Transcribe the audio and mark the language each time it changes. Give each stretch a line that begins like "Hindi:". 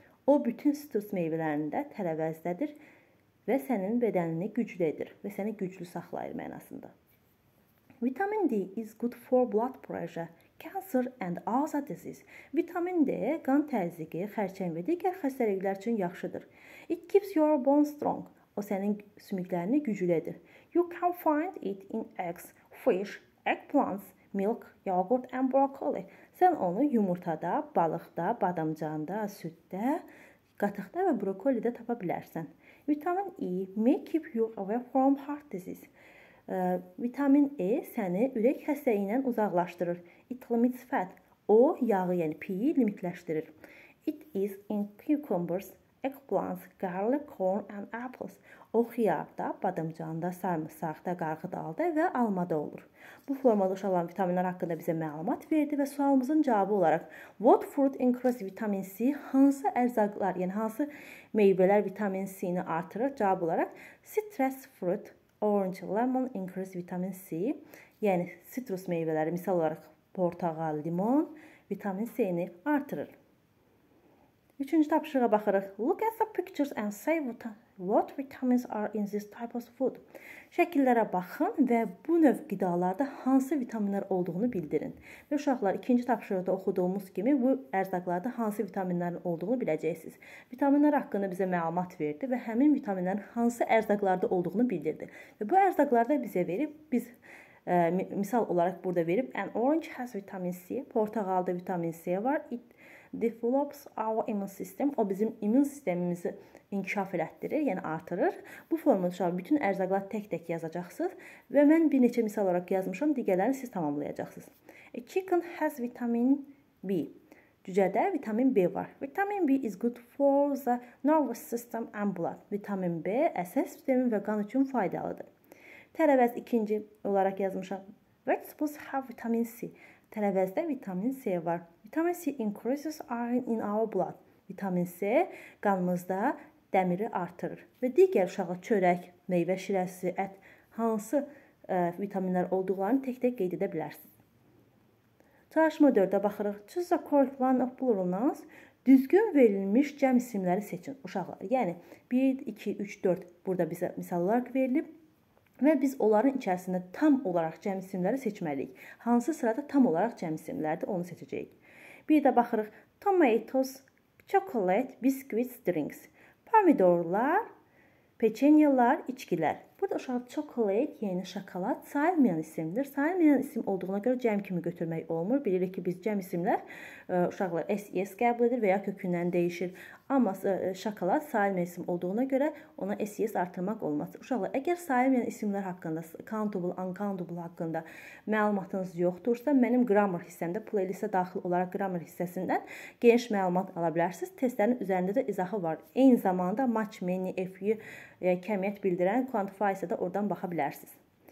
Azerbaijani: O bütün stres meyvələrində tərəvəzdədir və sənin bədənini güclədir və səni güclü saxlayır mənasında.
English: Vitamin D is good for blood pressure, cancer and other diseases.
Azerbaijani: Vitamin D qan təzyiqi, xərçəng və digər xəstəliklər üçün yaxşıdır.
English: It keeps your bones strong.
Azerbaijani: O sənin sümüklərini güclədir.
English: You can find it in eggs, fish, eggplants, milk, yogurt and broccoli.
Azerbaijani: Sən onu yumurtada, balıqda, badamcanda, süddə, qatıqda və brokolidə tapa bilərsən.
English: Vitamin E may keep you away from heart disease.
Azerbaijani: Vitamin E səni ürək xəstəliyindən uzaqlaşdırır.
English: It limits fat.
Azerbaijani: O yağı, yəni pi-yi limitləşdirir.
English: It is in cucumbers, eggplants, garlic, corn and apples.
Azerbaijani: O xiyarda, badımcanda, sarımsaqda, qarğıdalda və almada olur. Bu formada olan vitaminlər haqqında bizə məlumat verdi və sualımızın cavabı olaraq
English: What fruit increase vitamin C?
Azerbaijani: Hansı ərzaqlar, yəni hansı meyvələr vitamin C-ni artırır? Cavab olaraq
English: citrus fruit, orange, lemon increase vitamin C.
Azerbaijani: Yəni citrus meyvələri, misal olaraq portağal, limon vitamin C-ni artırır. Üçüncü tapşırığa baxırıq.
English: Look at the pictures and say what vitamins are in this type of food.
Azerbaijani: Şəkillərə baxın və bu növ qidalarda hansı vitaminlər olduğunu bildirin. Və uşaqlar, ikinci tapşırıqda oxuduğumuz kimi bu ərzaqlarda hansı vitaminlərin olduğunu biləcəksiniz. Vitaminlər haqqında bizə məlumat verdi və həmin vitaminlərin hansı ərzaqlarda olduğunu bildirdi. Və bu ərzaqlarda bizə verib, biz misal olaraq burada verib,
English: an orange has vitamin C,
Azerbaijani: portağalda vitamin C var,
English: it develops our immune system.
Azerbaijani: O bizim immün sistemimizi inkişaf elətdirir, yəni artırır. Bu formada uşaq bütün ərzaqlar tək-tək yazacaqsınız və mən bir neçə misal olaraq yazmışam, digərlərini siz tamamlayacaqsınız.
English: A chicken has vitamin B.
Azerbaijani: Cücədə vitamin B var.
English: Vitamin B is good for the nervous system and blood.
Azerbaijani: Vitamin B əsas sistemi və qan üçün faydalıdır. Tərəvəz ikinci olaraq yazmışam.
English: Vegetables have vitamin C.
Azerbaijani: Tərəvəzdə vitamin C var.
English: Vitamin C increases iron in our blood.
Azerbaijani: Vitamin C qanımızda dəmiri artırır. Və digər uşaqla çörək, meyvə şirəsi, ət hansı vitaminlər olduqlarını tək-tək qeyd edə bilərsiniz. Çalışma 4-də baxırıq.
English: Choose the correct line of plurals.
Azerbaijani: Düzgün verilmiş cəm isimləri seçin uşaqlar. Yəni 1, 2, 3, 4 burada bizə misal olaraq verilib. Və biz onların içərisində tam olaraq cəm isimləri seçməliyik. Hansı sırada tam olaraq cəm isimlərdir, onu seçəcəyik. Bir də baxırıq.
English: Tomatoes, chocolate, biscuits, drinks.
Azerbaijani: Pomidorlar, peçenyalar, içkilər. Burada uşaq chocolate, yəni şokolad sayılmayan isimdir. Sayılmayan isim olduğuna görə cəm kimi götürmək olmur. Bilirik ki, biz cəm isimlər uşaqlar SES qəbul edir və ya kökündən dəyişir. Amma şokolad sayılmayan isim olduğuna görə ona SES artırmaq olmaz. Uşaqlar, əgər sayılmayan isimlər haqqında, countable, uncountable haqqında məlumatınız yoxdursa, mənim grammar hissəmdə, playlistə daxil olaraq grammar hissəsindən geniş məlumat ala bilərsiniz. Testlərin üzərində də izahı var. Eyni zamanda much, many, few kəmiyyət bildirən quantify isə də oradan baxa bilərsiniz.